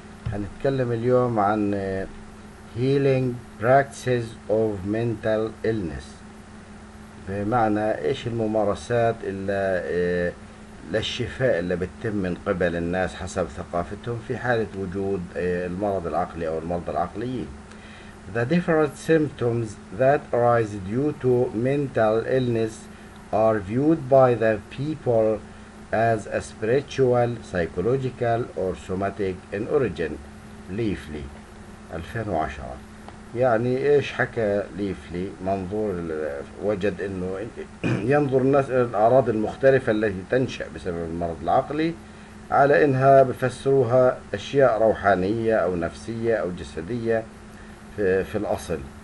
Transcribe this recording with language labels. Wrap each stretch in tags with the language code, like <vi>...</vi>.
<ar>هنتكلم اليوم عن</ar> <en>Healing Practices of Mental Illness،</en> <ar>بمعنى إيش الممارسات اللي للشفاء اللي بتتم من قبل الناس حسب ثقافتهم في حالة وجود المرض العقلي أو المرضى العقليين.</ar> <en>The different symptoms that arise due to mental illness are viewed by the people as a spiritual, psychological, or somatic in origin.</en> <ar>ليفلي 2010. يعني ايش حكى ليفلي؟ منظور وجد انه ينظر الناس الى الاعراض المختلفة التي تنشأ بسبب المرض العقلي على انها بفسروها اشياء روحانية او نفسية او جسدية في الأصل.</ar>